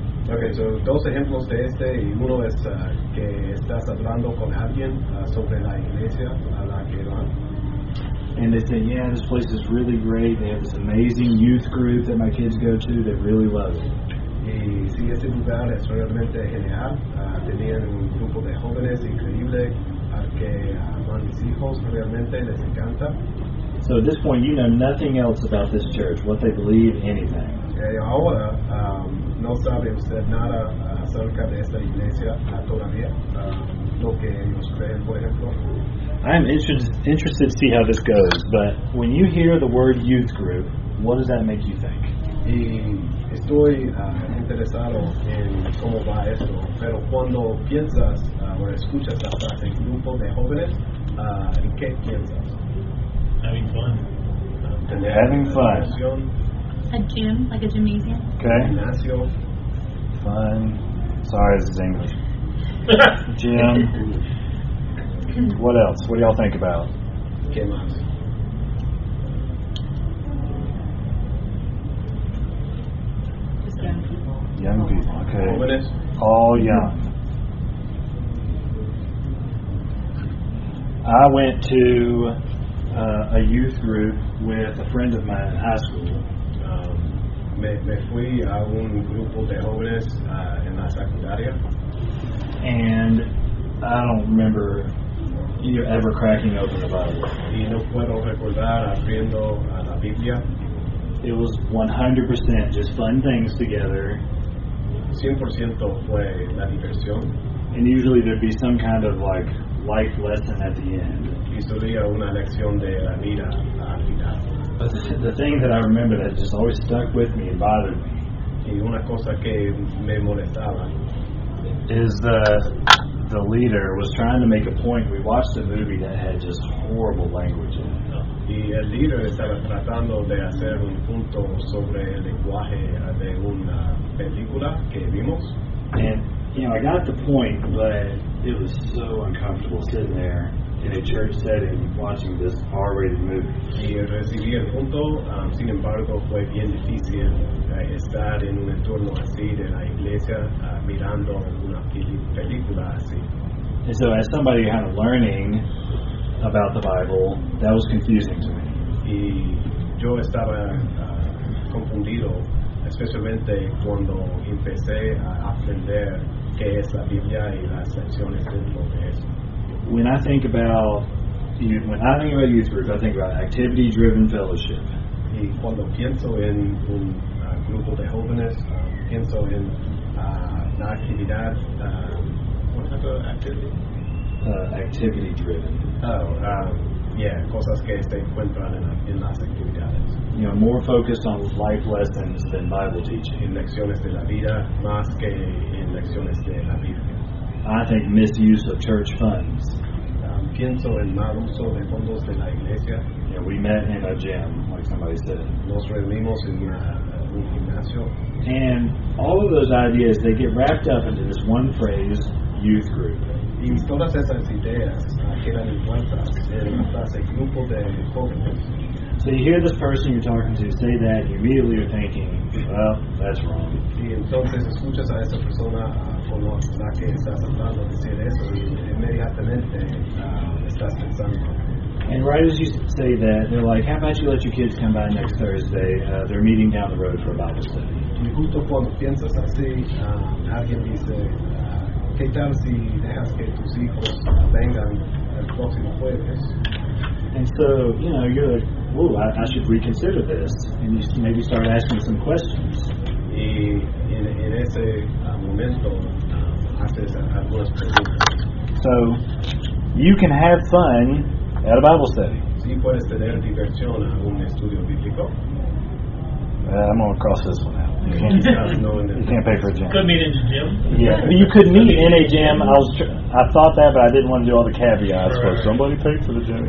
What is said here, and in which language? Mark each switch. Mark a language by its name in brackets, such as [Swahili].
[Spanish] Okay, so dos ejemplos de este, y uno es que estás hablando con alguien sobre la iglesia a la que van. [English] And they say, yeah, this place is really great. They have this amazing youth group that my kids go to. They really love it. [Spanish] Y si ese lugar es realmente genial, tenían un grupo de jóvenes increíble al que van mis hijos, realmente les encanta. [English] So at this point, you know nothing else about this church, what they believe, anything. [Spanish] Okay, ahora, no sabe usted nada acerca de esta iglesia todavía, lo que ellos creen, por ejemplo. [English] I'm interested to see how this goes, but when you hear the word youth group, what does that make you think? [Spanish] Y estoy interesado en cómo va esto, pero cuando piensas o escuchas la frase grupo de jóvenes, ¿en qué piensas? [English] Having fun. Having fun. A gym, like a gymnasium. Okay. [Spanish] Gymnasio. [English] Fun. Sorry, this is English. Gym. What else? What do y'all think about? [Spanish] ¿Qué más? [English] Just young people. Young people, okay. [Spanish] Jóvenes. [English] All young. I went to a youth group with a friend of mine in high school. [Spanish] Me fui a un grupo de jóvenes en la secundaria. [English] And I don't remember you ever cracking open the Bible. [Spanish] Y no puedo recordar abriendo la Biblia. [English] It was 100% just fun things together. [Spanish] 100% fue la diversión. [English] And usually there'd be some kind of like life lesson at the end. [Spanish] Y solía una lección de la vida al final. [English] But the thing that I remember that just always stuck with me and bothered me. [Spanish] Y una cosa que me molestaba. [English] Is the leader was trying to make a point. We watched a movie that had just horrible language in it. [Spanish] Y el líder estaba tratando de hacer un punto sobre el lenguaje de una película que vimos. [English] And, you know, I got the point, but it was so uncomfortable sitting there in a church setting watching this R-rated movie. [Spanish] Y recibí el punto, sin embargo, fue bien difícil estar en un entorno así de la iglesia mirando una película así. [English] And so as somebody kind of learning about the Bible, that was confusing to me. [Spanish] Y yo estaba confundido, especialmente cuando empecé a aprender qué es la Biblia y las lecciones dentro de eso. [English] When I think about when I think about youth group, I think about activity-driven fellowship. [Spanish] Y cuando pienso en un grupo de jóvenes, pienso en la actividad, [English] what type of activity? Activity-driven. [Spanish] Yeah, cosas que se encuentran en las actividades. [English] You know, more focused on life lessons than Bible teaching. [Spanish] En lecciones de la vida, más que en lecciones de la Biblia. [English] I think misuse of church funds. [Spanish] Pienso en mal uso de fondos de la iglesia. [English] Yeah, we met in a gym, like somebody said. [Spanish] Nos reunimos en un gimnasio. [English] And all of those ideas, they get wrapped up into this one phrase, youth group. [Spanish] Y todas esas ideas quedan envueltas en la frase grupo de jóvenes. [English] So you hear this person you're talking to say that, you immediately are thinking, well, that's wrong. [Spanish] Y entonces escuchas a esa persona con la que estás hablando decir eso y inmediatamente estás pensando. [English] And right as you say that, they're like, how about you let your kids come by next Thursday? They're meeting down the road for a Bible study. [Spanish] Y justo cuando piensas así, alguien dice, ¿qué tal si dejas que tus hijos vengan el próximo jueves? [English] And so, you know, you're like, I should reconsider this. And you maybe start asking some questions. [Spanish] Y en ese momento, haces algunas preguntas. [English] So, you can have fun at a Bible study. [Spanish] Sí, puedes tener diversión en un estudio bíblico. [English] I'm going to cross this one out. You can't pay for a gym. Could meet in a gym. Yeah, you could meet in a gym. I thought that, but I didn't want to do all the caveats. But right. Somebody paid for the gym.